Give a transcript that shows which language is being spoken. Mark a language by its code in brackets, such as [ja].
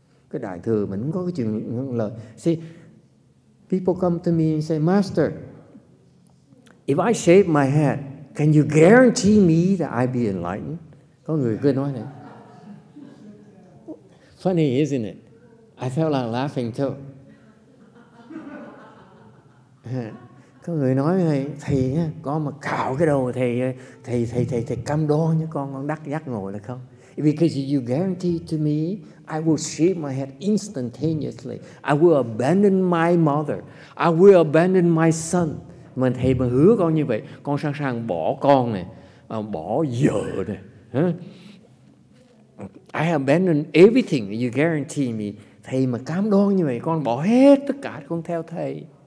[vi] Cái đại thừa mình không có cái chuyện lợi. [en] See, people come to me and say, Master, if I shave my head, can you guarantee me that I be enlightened? [vi] Có người cứ nói này. [en] Funny, isn't it? I felt like laughing too. [vi] Có người nói này, thầy á, con mà cạo cái đầu thầy cam đoan với con đắc giác ngộ là không? [en] Because you guarantee to me, I will shave my head instantaneously. I will abandon my mother. I will abandon my son. [vi] Mà thầy mà hứa con như vậy, con sẵn sàng bỏ con này, bỏ vợ này. [en] I abandon everything you guarantee me. [vi] Thầy mà cam đoan như vậy, con bỏ hết tất cả, con theo thầy.